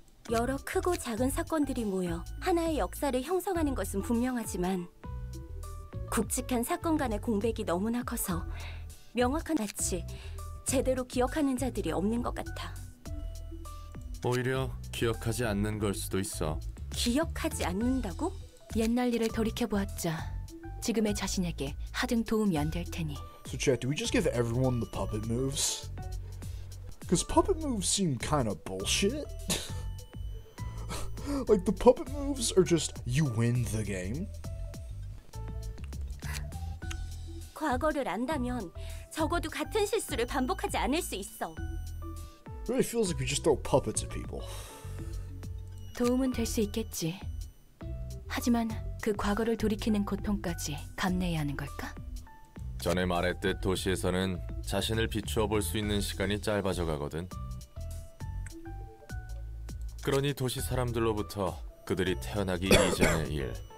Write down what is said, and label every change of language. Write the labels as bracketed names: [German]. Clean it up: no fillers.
[Korean] 여러 크고 작은 사건들이 모여 하나의 역사를 형성하는 것은 분명하지만 굵직한 사건 간의 공백이 너무나 커서 명확한 낯이 제대로 기억하는 자들이 없는 것 같아. 오히려 기억하지 않는 걸 수도 있어. 기억하지 않는다고? 옛날 일을 돌이켜보았자 지금의 자신에게 하등 도움이 안 될 테니. [English] So chat, do we just give everyone the puppet moves? Because puppet moves seem kind of bullshit. Like the puppet moves are just you win the game. [Korean] 과거를 안다면 적어도 같은 실수를 반복하지 않을 수 있어. [English] It really feels like we just throw puppets at people. [Korean] 도움은 될 수 있겠지. 하지만 그 과거를 돌이키는 고통까지 감내해야 하는 걸까? 전에 말했듯 도시에서는 자신을 비추어 볼 수 있는 시간이 짧아져 가거든. 그러니 도시 사람들로부터 그들이 태어나기 이전의 일.